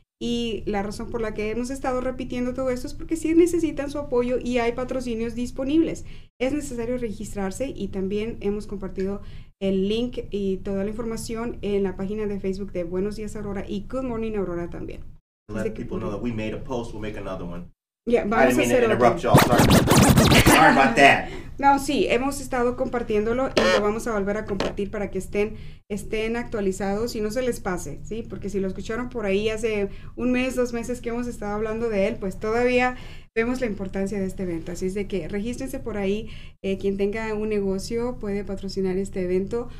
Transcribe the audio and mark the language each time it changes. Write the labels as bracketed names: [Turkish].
[Spanish] Y la razón por la que hemos estado repitiendo todo esto es porque sí necesitan su apoyo y hay patrocinios disponibles. Es necesario registrarse y también hemos compartido el link y toda la información en la página de Facebook de Buenos Días Aurora y Good Morning Aurora también. [English] Let people know that we made a post, we'll make another one. [Spanish] Yeah, vamos a hacer otro. [English] I didn't mean to interrupt y'all, sorry about that. [Spanish] No, sí, hemos estado compartiéndolo y lo vamos a volver a compartir para que estén actualizados y no se les pase, ¿sí? Porque si lo escucharon por ahí hace un mes, dos meses que hemos estado hablando de él, pues todavía vemos la importancia de este evento. Así es de que regístrense por ahí. Quien tenga un negocio puede patrocinar este evento.